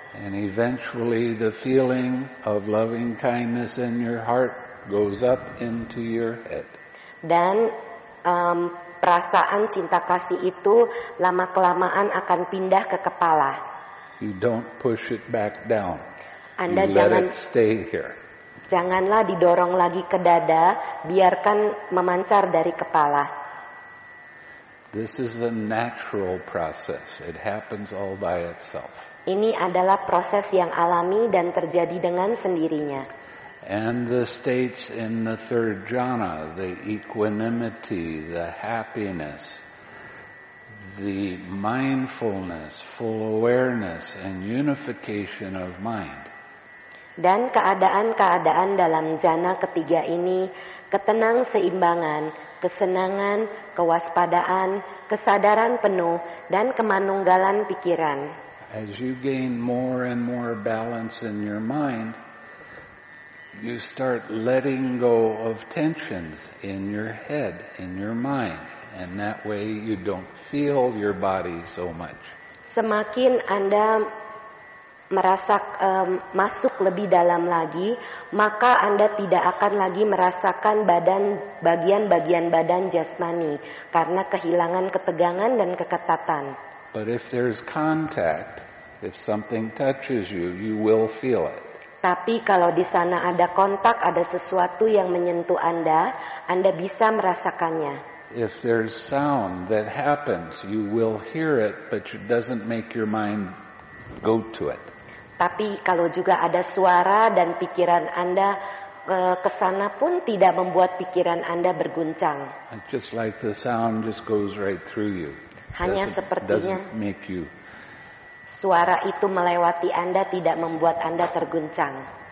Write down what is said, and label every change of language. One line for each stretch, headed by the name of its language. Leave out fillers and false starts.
English: And eventually the feeling of loving kindness in your heart goes up into your head.
Indonesian: Dan perasaan cinta kasih itu lama kelamaan akan pindah ke kepala.
English: You don't push it back down.
Indonesian: Anda
English: you
Indonesian: jangan
English: let it stay here.
Indonesian: Janganlah didorong lagi ke dada, biarkan memancar dari kepala.
English: This is a natural process. It happens all by itself.
Indonesian: Ini adalah proses yang alami dan terjadi dengan sendirinya.
English: And the states in the third jhana, the equanimity, the happiness, the mindfulness, full awareness, and unification of mind.
Indonesian: Dan keadaan-keadaan dalam jhana ketiga ini, ketenang seimbangan, kesenangan, kewaspadaan, kesadaran penuh, dan kemanunggalan pikiran.
English: As you gain more and more balance in your mind, you start letting go of tensions in your head, in your mind, and that way you don't feel your body so much.
Indonesian: Semakin Anda merasa masuk lebih dalam lagi, maka Anda tidak akan lagi merasakan badan, bagian-bagian badan jasmani, karena kehilangan ketegangan dan keketatan.
English: But if there's contact, if something touches you, you will feel it.
Indonesian: Tapi kalau di sana ada kontak, ada sesuatu yang menyentuh Anda, Anda bisa merasakannya.
English: If there's sound that happens, you will hear it, but it doesn't make your mind go to it.
Indonesian: Tapi kalau juga ada suara dan pikiran Anda kesana pun tidak membuat pikiran Anda berguncang.
English: Just like the sound just goes right through you.
Indonesian: Hanya sepertinya
English: make you.
Indonesian: Suara itu melewati Anda tidak membuat Anda terguncang.